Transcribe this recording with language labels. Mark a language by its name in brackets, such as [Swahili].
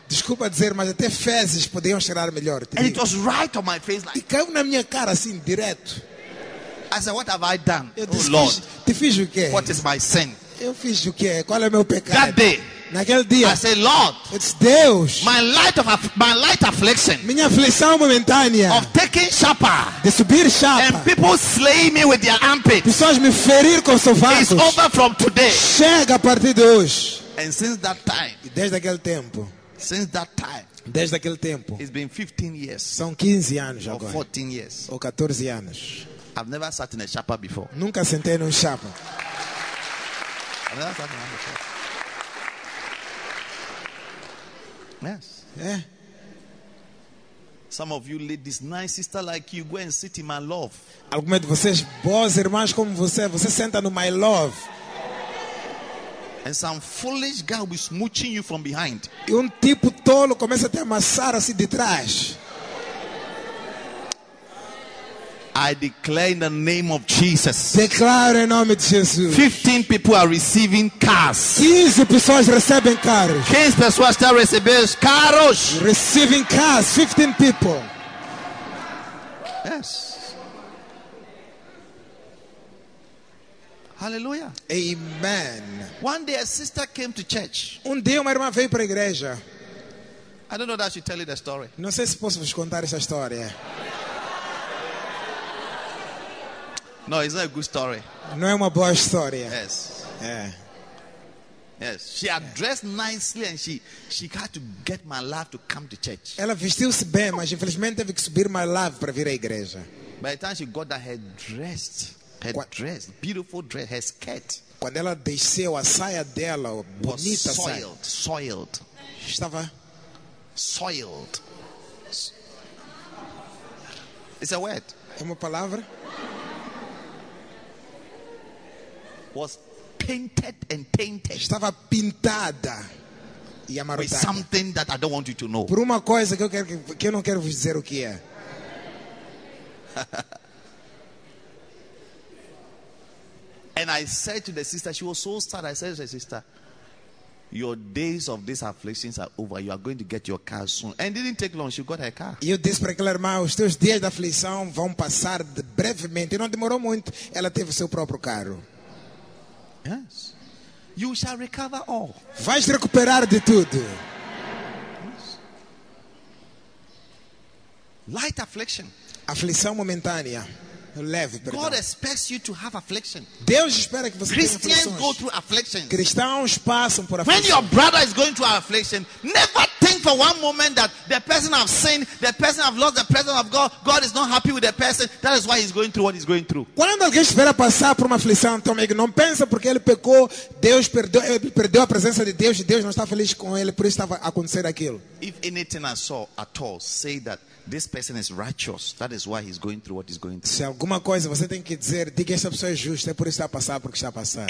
[Portuguese] Desculpa dizer, mas até fezes poderiam cheirar melhor. [English] And it was right on my face, like. [Portuguese] E caiu na minha cara assim, direto. [English] I said, what have I done? [Portuguese] Eu disse, [English] oh, Lord. [Portuguese] Te fiz o quê? [English] What is my sin? [Portuguese] Eu fiz o quê? Qual é meu pecado? [English] That day. [Portuguese] Naquele dia. [English] I said, Lord. It's Deus. My light affliction. [Portuguese] Minha aflição momentânea. [English] Of taking sharper. [Portuguese] De subir sharper. [English] And people slay me with their armpits. [Portuguese] Pessoas me ferir com sovacos. [English] It's over from today. [Portuguese] Chega a partir de hoje. [English] And since that time. [Portuguese] E desde aquele tempo. [English] Since that time. [Portuguese] Desde aquele tempo. [English] It's been 15 years. [Portuguese] São 15 anos agora. [English] Or 14 years. [Portuguese] Ou 14 anos. [English] I've never sat in a sharper before. [Portuguese] Nunca sentei num sharper. [English] I've never sat in a sharper. Yes. Yeah. Some of you ladies, nice sister like you, go and sit in my love. [Portuguese] Algumas de vocês, boas irmãs como você, você senta no my love. [English] And some foolish guy will be smooching you from behind. [Portuguese] E tipo tolo começa a te amassar assim de trás. [English] I declare in the name of Jesus. [Portuguese] Declaro em nome de Jesus. [English] 15 people are receiving cars. [Portuguese] 15 pessoas recebem carros. 15 pessoas estão recebendo carros. [English] Receiving cars. 15 people. Yes. Hallelujah. Amen. One day a sister came to church. [Portuguese] Dia uma irmã veio para a igreja. [English] I don't know that I should tell you the story. [Portuguese] Não sei se posso vos contar essa história. [English] No, it's not a good story. [Portuguese] Não é uma boa história. [English] Yes. Yeah. Yes. She had dressed nicely and she had to get my love to come to church. [Portuguese] Ela vestiu-se bem, mas infelizmente teve que subir my love para vir à igreja. [English] By the time she got that her dress, beautiful dress, her skirt. [Portuguese] Quando ela desceu a saia dela, bonita saia. [English] Soiled. [Portuguese] Estava [English] soiled. It's a word. [Portuguese] É uma palavra. [English] Was painted and tainted. [Portuguese] Estava pintada e amarrotada. [English] With something that I don't want you to know. [Portuguese] Por uma coisa que eu não quero vos dizer o que é. [English] And I said to the sister, she was so sad. I said to the sister, your days of these afflictions are over. You are going to get your car soon. And it didn't take long. She got her car. [Portuguese] Eu disse para aquela irmã, os teus dias de aflição vão passar brevemente. E não demorou muito. Ela teve o seu próprio carro. [English] Yes. You shall recover all. [Portuguese] Vais recuperar de tudo. [English] Yes. Light affliction. [Portuguese] Aflição momentânea. Leve, perdão. [English] God expects you to have affliction. [Portuguese] Deus espera que você [English] Christians [Portuguese] tenha aflições. [English] Go through afflictions. [Portuguese] Cristãos passam por aflições. [English] When your brother is going through affliction, never think for one moment that the person have sinned, the person have lost the presence of God, God is not happy with the person. That is why he's going through what he's going through. [Portuguese] Quando alguém estiver a passar por uma aflição, teu amigo, não pensa porque ele pecou, Deus perdeu a presença de Deus e Deus não está feliz com ele por isso estava acontecendo aquilo. [English] If anything I saw at all, say that this person is righteous. That is why he's going through what he's going through. [Portuguese] Se alguma coisa você tem que dizer, diga essa pessoa é justa, é por isso que está passando, porque está passando.